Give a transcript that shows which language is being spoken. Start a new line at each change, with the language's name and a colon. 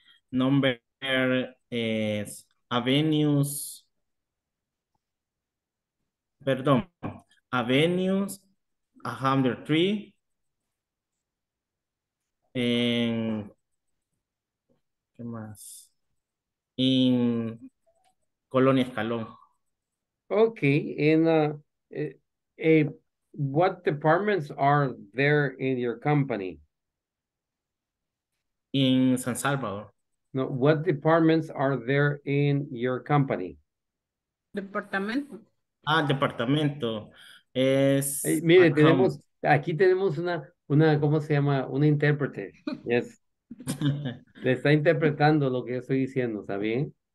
English: Number is Avenues, perdón, Avenues 103 en,
Spanish: ¿qué más? En Colonia Escalón.
English: Okay, and what departments are there in your company? In San Salvador. No, what departments are there in your company?
Spanish: Departamento. Ah, departamento. Es. Hey, mire, tenemos, aquí tenemos una, ¿cómo se llama? Una intérprete.
English: Yes.
Spanish: Le está interpretando lo que yo estoy diciendo, ¿está bien?